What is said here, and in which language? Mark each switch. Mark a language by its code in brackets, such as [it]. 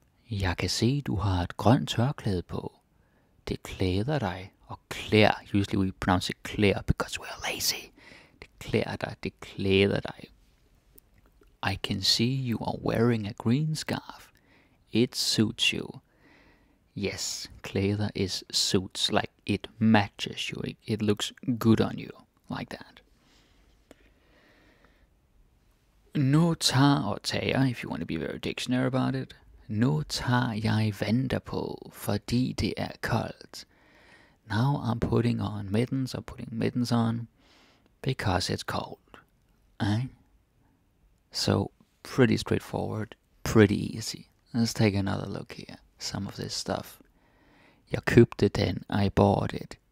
[da] Jeg kan se, du har et grønt tørklæde på. Det klæder dig. Og klær, [en] usually we pronounce it klær, because we're lazy. [da] Det klæder dig, det klæder dig. [en] I can see you are wearing a green scarf. It suits you. Yes, klæder is suits, like it matches you, it looks good on you, like that. [da] Nu tager og tager, [en] if you want to be very dictionary about it. [da] Nu tager jeg venter på, fordi det er koldt. [en] Now I'm putting on mittens, I'm putting mittens on, because it's cold. Eh? So, pretty straightforward, pretty easy. Let's take another look here, some of this stuff. [da] Jeg købte den, [en] I bought it.